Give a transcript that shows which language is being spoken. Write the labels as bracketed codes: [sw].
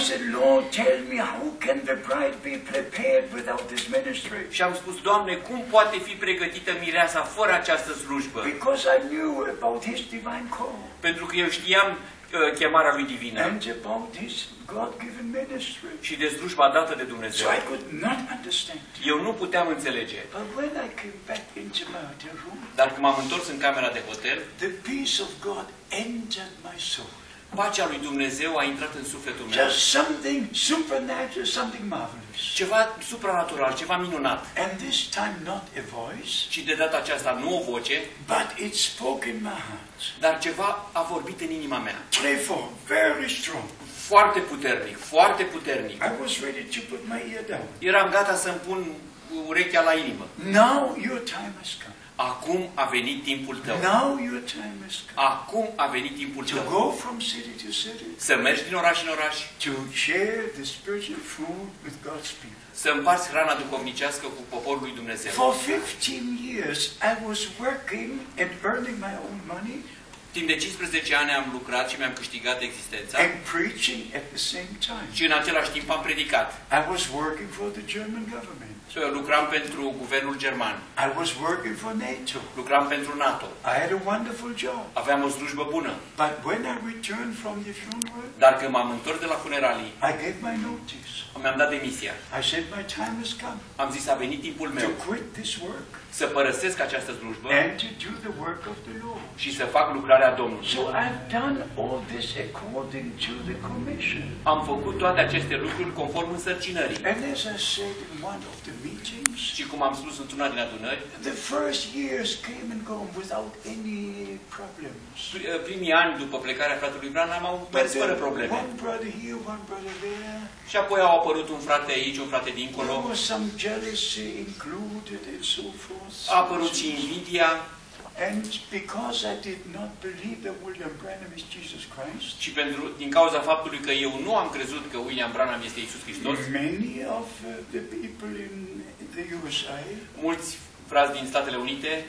[en] I said, Lord, tell me how can the bride be prepared without this ministry? [ro] Și am spus, Doamne, cum poate fi pregătită mireasa fără această slujbă? [en] Because I knew about his divine call. [ro] Pentru că eu știam chemarea lui divină. [en] And about his God-given ministry. [ro] Și de slujba dată de Dumnezeu. [en] So I could not understand. [ro] Eu nu puteam înțelege. [en] But when I came back into my hotel room, [ro] dar când m-am întors în camera de hotel, [en] the peace of God entered my soul. [ro] Pacea lui Dumnezeu a intrat în sufletul meu. [en] Just something supernatural, something marvelous. [ro] Ceva supranatural, ceva minunat. [en] And this time not a voice. [ro] Și de data aceasta nu o voce. [en] But it spoke in my heart. [ro] Dar ceva a vorbit în inima mea. [en] Playful, very strong. [ro] Foarte puternic, foarte puternic. [en] I was ready to put my ear down. [ro] Eram gata să-mi pun urechea la inimă. [en] Now your time has come. [ro] Acum a venit timpul tău. [en] Now your time has come. [ro] Acum a venit timpul tău. [en] To go from city to city. [ro] Să mergi din oraș în oraș. [en] To share the spiritual food with God's people. [ro] Să împarți hrana duhovnicească cu poporul lui Dumnezeu. [en] For 15 years I was working and earning my own money. [ro] Timp de 15 ani am lucrat și mi-am câștigat existența. [en] And preaching at the same time. [ro] Și în același timp am predicat. [en] I was working for the German government. [ro] Lucram pentru guvernul german. [en] I was working for NATO. [ro] Lucram pentru NATO. [en] I had a wonderful job. [ro] Aveam o slujbă bună. [en] But when I returned from the funeral, [ro] dar când m-am întors de la funeralii, [en] I gave my notice. [ro] Mi-am dat demisia. [en] I said my time has come. [ro] Am zis, a venit timpul meu. [en] To quit this work. [ro] Să părăsesc această slujbă. [en] And to do the work of the Lord. [ro] Și să fac lucrarea Domnului. [en] So I've done all this according to the commission. [ro] Am făcut toate aceste lucruri conform însărcinării. [en] And as I said in one of the meetings. [ro] Și cum am spus într-una din adunări. [en] The first years came and gone without any problems. [ro] Primii ani după plecarea fratelui Branham au mers fără probleme. [en] One brother here, one brother there. [ro] Și apoi au apărut un frate aici, un frate dincolo. [en] There was some jealousy included and so forth. [ro] A apărut și invidia. [en] And because I did not believe that William Branham is Jesus Christ. [ro] Și pentru din cauza faptului că eu nu am crezut că William Branham este Iisus Hristos. [en] Many of the people in the USA. [ro] Mulți frați din Statele Unite.